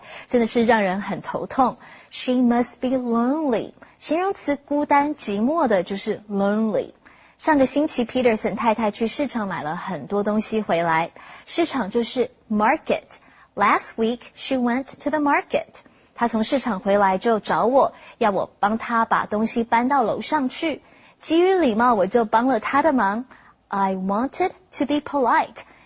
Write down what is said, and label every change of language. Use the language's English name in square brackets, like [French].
[Chinese] Peterson太太看到有人打招呼就会开始跟我聊天。我知道她一个人住很孤单,但是她一开口就停不下来,真的是让人很头痛。 [English] She must be lonely. [Chinese] 形容词孤单寂寞的就是lonely。上个星期Peterson太太去市场买了很多东西回来。市场就是market. [English] Last week she went to the market. [Chinese] 她从市场回来就找我,要我帮她把东西搬到楼上去。基于礼貌我就帮了他的忙。 [English] I wanted to be polite.